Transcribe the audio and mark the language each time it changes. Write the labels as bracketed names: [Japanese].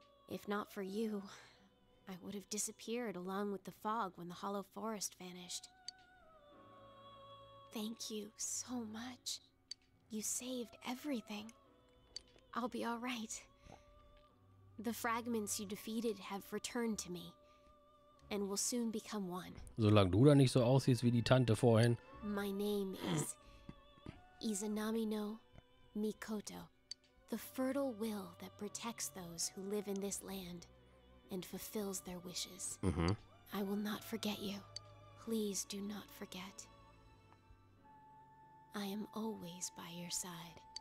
[English] If not for you, I would have disappeared along with the fog when the hollow forest vanished. Thank you so much. You saved everything. I'll be all right. The fragments you defeated have returned to me and will soon become one. [German] Solange du da nicht so aussiehst wie die Tante vorhin. [English] My name is Izanami no Mikoto. The fertile will that protects those who live in this land and fulfills their wishes. Mm-hmm. I will not forget you. Please do not forget. I am always by your side.